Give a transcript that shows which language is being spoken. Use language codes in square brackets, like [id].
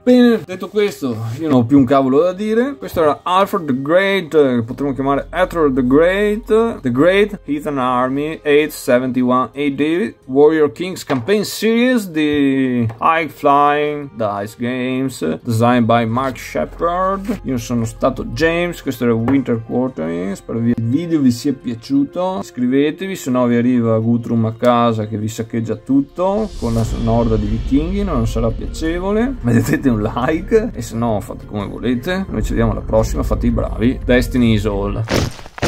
[it] Bene, detto questo, io non ho più un cavolo da dire. Questo era Alfred the Great, potremmo chiamare Aethelred the Great. [en] The Great Heathen Army 871 AD Warrior Kings Campaign Series di High Flying Dice Games, designed by Mark Sheppard. [it] Io sono stato James, questo era Winter Quarterings. Spero che il video vi sia piaciuto. Iscrivetevi, se no vi arriva Guthrum a casa che vi saccheggia tutto con la sonorda di vichinghi, non sarà piacevole. Mettete un like e se no fate come volete. Noi ci vediamo alla prossima. Fate i bravi. [en] Destiny is all.